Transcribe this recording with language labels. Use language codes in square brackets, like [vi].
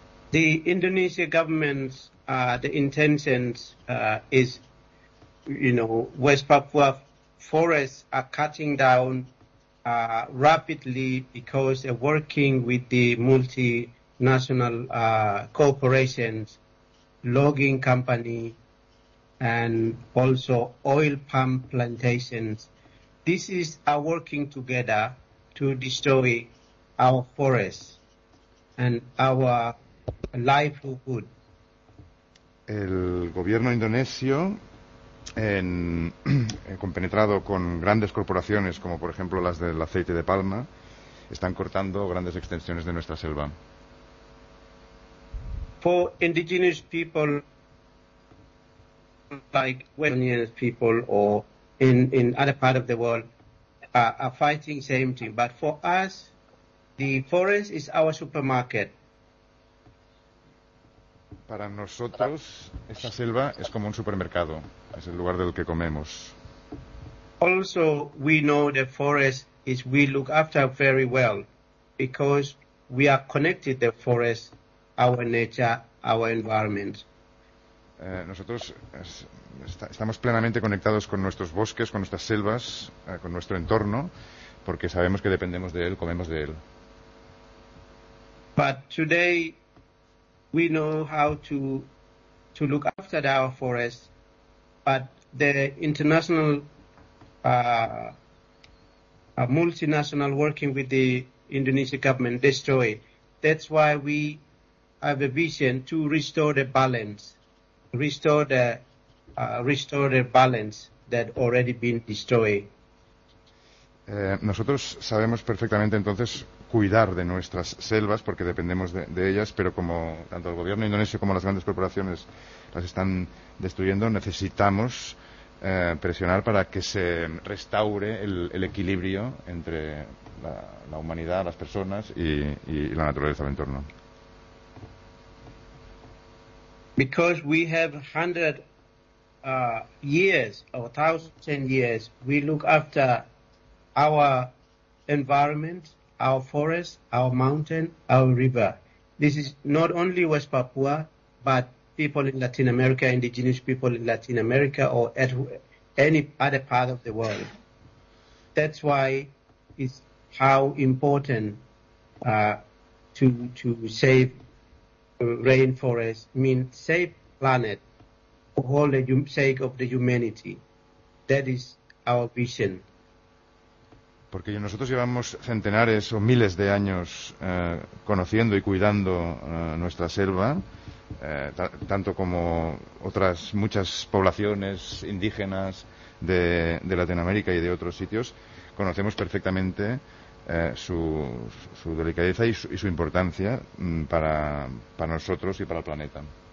[en] The Indonesian government's the intentions is, West Papua forests are cutting down rapidly because they're working with the multinational corporations, logging company, and also oil palm plantations. This is our working together to destroy our forests and our livelihood. [es] El gobierno indonesio, compenetrado con grandes corporaciones como por ejemplo las del aceite de palma, están cortando grandes extensiones de nuestra selva. [en] For indigenous people like Westernian people or in other part of the world are fighting same thing, but for us the forest is our supermarket. [es] Para nosotros, esta selva es como un supermercado, es el lugar del que comemos. [en] Also, we know the forest is we look after very well, because we are connected to the forest, our nature, our environment. [es] Nosotros estamos plenamente conectados con nuestros bosques, con nuestras selvas, con nuestro entorno, porque sabemos que dependemos de él, comemos de él. [en] But today we know how to look after our forests, but the international multinational working with the Indonesian government destroy. That's why we have a vision to restore the balance. Restore the balance that already been destroyed. [es] Nosotros sabemos perfectamente entonces cuidar de nuestras selvas porque dependemos de ellas, pero como tanto el gobierno indonesio como las grandes corporaciones las están destruyendo, necesitamos presionar para que se restaure el equilibrio entre la humanidad, las personas y la naturaleza del entorno. [en] Because we have 100 years or 1,000 years, we look after our environment, our forest, our mountain, our river. This is not only West Papua, but people in Latin America, indigenous people in Latin America or at any other part of the world. That's why it's how important to save rainforest means save planet for all the sake of the humanity. That is our vision. [es] Porque nosotros llevamos centenares o miles de años conociendo y cuidando nuestra selva, tanto como otras muchas poblaciones indígenas de Latinoamérica y de otros sitios, conocemos perfectamente su delicadeza y su importancia para nosotros y para el planeta.